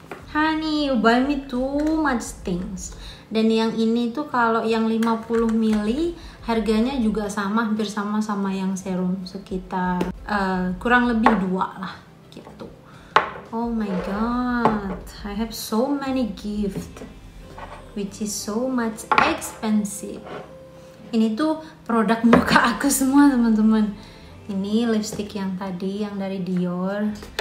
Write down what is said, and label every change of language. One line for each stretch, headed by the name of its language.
English: Honey, you buy me too much things.
Indonesian: Dan yang ini tuh kalau yang 50 mili harganya juga sama, hampir sama-sama yang serum, sekitar kurang lebih 2 lah gitu.
English: Oh my god, I have so many gift which is so much expensive.
Indonesian: Ini tuh produk muka aku semua, teman-teman. Ini lipstick yang tadi, yang dari Dior.